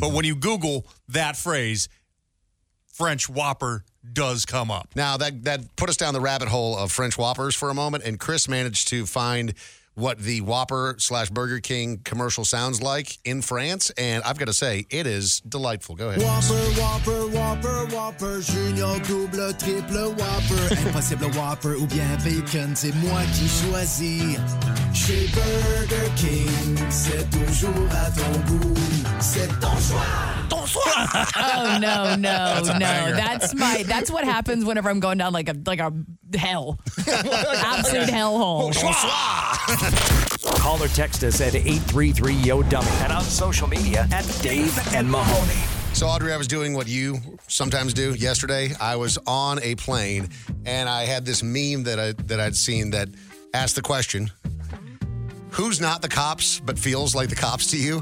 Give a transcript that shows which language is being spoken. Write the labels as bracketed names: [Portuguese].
[English] But when you Google that phrase, French Whopper does come up. Now, that put us down the rabbit hole of French Whoppers for a moment, and Chris managed to find what the Whopper / Burger King commercial sounds like in France. And I've got to say, it is delightful. Go ahead. Whopper, Whopper, Whopper, Whopper, Junior, double, triple Whopper. [French] Impossible Whopper ou bien bacon, c'est moi qui choisis. Chez Burger King, c'est toujours à ton goût, c'est ton choix. [English] Oh no! That's what happens whenever I'm going down like a hell, absolute hell hole. Call or text us at 833-YO-DUMMY and on social media at Dave and Mahoney. So Audrey, I was doing what you sometimes do. Yesterday, I was on a plane and I had this meme that I'd seen that asked the question, who's not the cops but feels like the cops to you?